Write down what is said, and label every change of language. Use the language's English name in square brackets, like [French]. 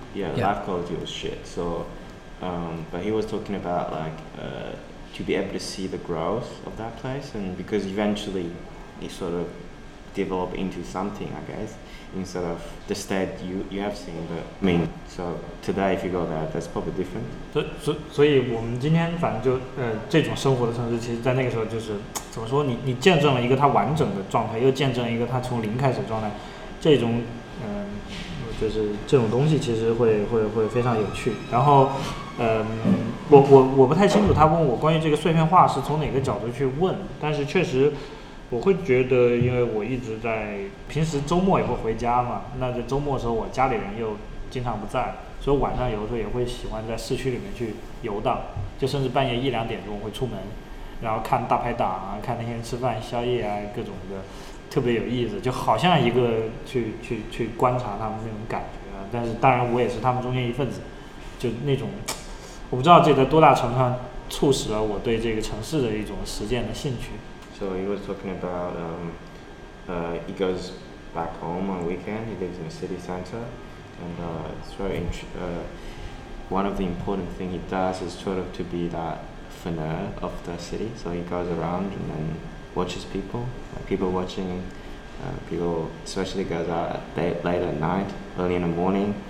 [English] Yeah, life quality was shit. So, but he was talking about like to be able to see the growth of that place, and because eventually it sort of developed into something, I guess, instead of the state you have seen. But I mean, so today if you go there, that's probably different. [Chinese] So 我们今天反正就这种生活的城市，其实在那个时候就是怎么说，你见证了一个它完整的状态，又见证了一个它从零开始状态，这种就是这种东西其实会非常有趣。然后我不太清楚他问我关于这个碎片化是从哪个角度去问，但是确实我会觉得，因为我一直在平时周末也会回家嘛，那在周末的时候我家里人又经常不在，所以晚上有的时候也会喜欢在市区里面去游荡，就甚至半夜一两点钟会出门，然后看大排档啊，看那些人吃饭宵夜啊，各种的特别有意思，就好像一个去观察他们那种感觉啊。但是当然我也是他们中间一份子，就那种我不知道这在多大程度上促使了我对这个城市的一种实践的兴趣。 [English] So he was talking about he goes back home on weekend. He lives in a city center, and it's very one of the important thing he does is sort of to be that funer of the city. So he goes around and then watches people, people watching, people especially goes out late at night, early in the morning.